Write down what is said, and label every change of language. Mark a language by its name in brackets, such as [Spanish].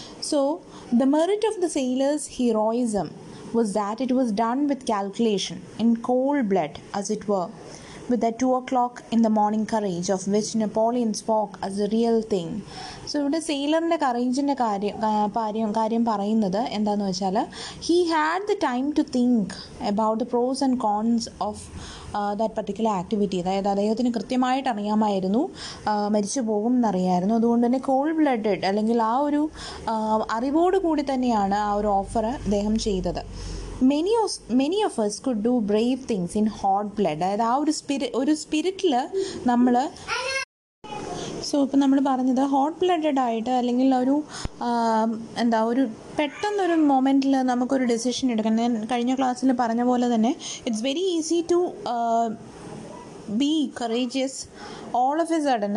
[English] so the merit of the sailors heroism was that it was done with calculation in cold blood as it were with the 2 o'clock in the morning courage of which Napoleon spoke as a real thing so [Malayalam] ഇവിടെ സെയിലറിൻ്റെ കറേജിൻ്റെ കാര്യം പറയുന്നത് എന്താണെന്ന് വെച്ചാൽ, [English] He had the time to think about the pros and cons of that particular activity. [Malayalam] അതായത് അദ്ദേഹത്തിന് കൃത്യമായിട്ട് അറിയാമായിരുന്നു മരിച്ചു പോകും എന്നറിയായിരുന്നു. അതുകൊണ്ട് തന്നെ കോൾഡ് ബ്ലഡഡ് അല്ലെങ്കിൽ ആ ഒരു അറിവോടുകൂടി തന്നെയാണ് ആ ഒരു ഓഫർ അദ്ദേഹം ചെയ്തത്. [English] Many of us could do brave things in hot blood. [Malayalam] അതായത് ആ ഒരു സ്പിരിറ്റിൽ നമ്മൾ. സോ ഇപ്പം നമ്മൾ പറഞ്ഞത് ഹോട്ട് ബ്ലഡഡ് ആയിട്ട് അല്ലെങ്കിൽ ഒരു എന്താ ഒരു പെട്ടെന്നൊരു മൊമെൻറ്റിൽ നമുക്കൊരു ഡെസിഷൻ എടുക്കണം. ഞാൻ കഴിഞ്ഞ ക്ലാസ്സിൽ പറഞ്ഞ പോലെ തന്നെ [English] It's very easy to be courageous all of a sudden.